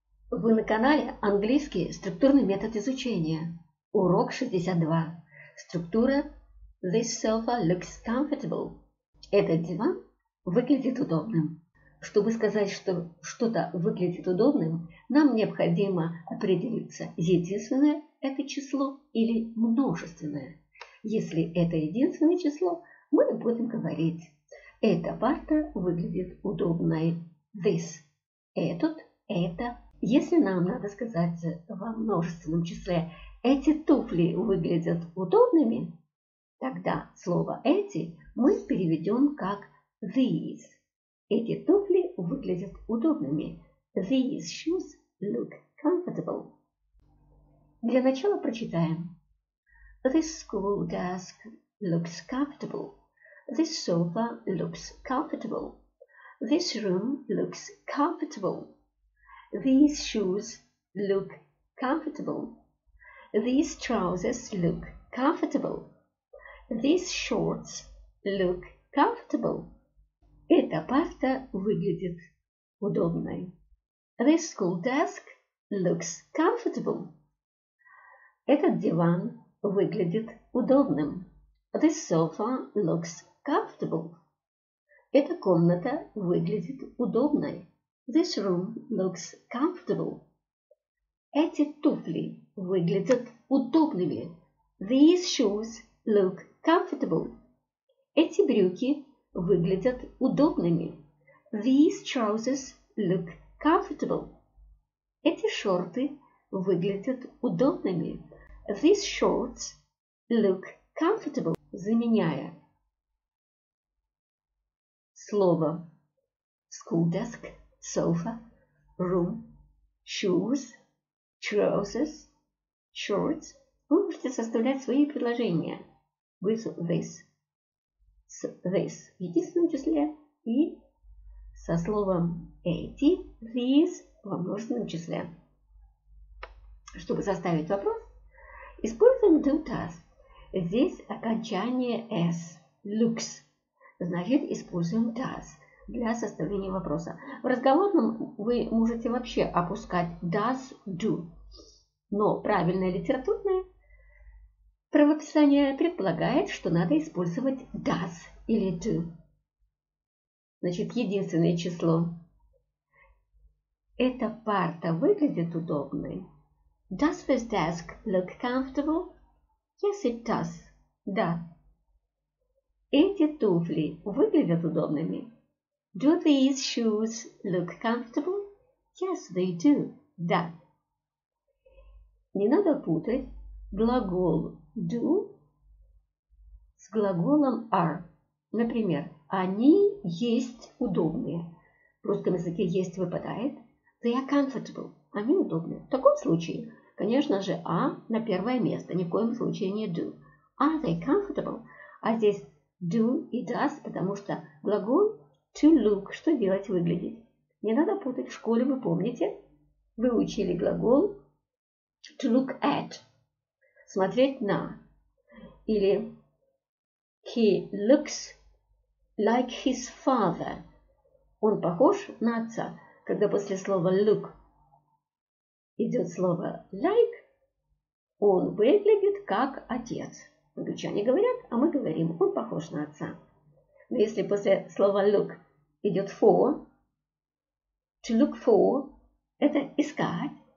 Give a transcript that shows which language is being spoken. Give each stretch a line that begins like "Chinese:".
Russian: Вы на канале «Английский структурный метод изучения». Урок 62.
English: Структура «This sofa looks comfortable».
Russian: Этот диван выглядит удобным. Чтобы сказать, что что-то выглядит удобным, нам необходимо определиться, единственное это число или множественное. Если это единственное число, мы будем говорить «Эта парта выглядит удобной». «This» – «Этот» – «Это». Если нам надо сказать во множественном числе «эти туфли выглядят удобными», тогда слово «эти» мы переведем как «these». Эти туфли выглядят удобными.
English: These shoes look comfortable.
Russian: Для начала прочитаем.
English: This school desk looks comfortable. This sofa looks comfortable. This room looks comfortable. These shoes look comfortable. These trousers look comfortable. These shorts look comfortable.
Russian: Эта парта выглядит удобной.
English: This school desk looks comfortable.
Russian: Этот диван выглядит удобным.
English: This sofa looks comfortable.
Russian: Эта комната выглядит удобной.
English: This room looks comfortable.
Russian: Эти туфли выглядят удобными.
English: These shoes look comfortable.
Russian: Эти брюки выглядят удобными.
English: These trousers look comfortable.
Russian: Эти шорты выглядят удобными.
English: These shorts look comfortable.
Russian: Заменяя слово school desk, sofa, room, shoes, trousers, shorts. Вы можете составлять свои предложения.
English: With this.
Russian: С this в единственном числе и со словом эти, these во множественном числе. Чтобы составить вопрос, используем do task. Здесь окончание s, looks. Значит, используем does для составления вопроса. В разговорном вы можете вообще опускать does, do. Но правильное литературное правописание предполагает, что надо использовать does или do. Значит, единственное число. Эта парта выглядит удобной.
English: Does this desk look comfortable? Yes, it does. Да.
Russian: Эти туфли выглядят удобными.
English: Do these shoes look comfortable? Yes, they do. Да.
Russian: Не надо путать глагол do с глаголом are. Например, они есть удобные. В русском языке есть выпадает.
English: They are comfortable.
Russian: Они удобные. В таком случае, конечно же, а на первое место. Ни в коем случае не do.
English: Are they comfortable?
Russian: А здесь do и does, потому что глагол to look, что делать, выглядеть. Не надо путать. В школе вы помните, вы учили глагол to look at, смотреть на.
English: Или he looks like his father.
Russian: Он похож на отца. Когда после слова look идет слово like, он выглядит как отец. Англичане говорят, а мы говорим, он похож на отца. Но если после слова look идет for, to look for, это искать.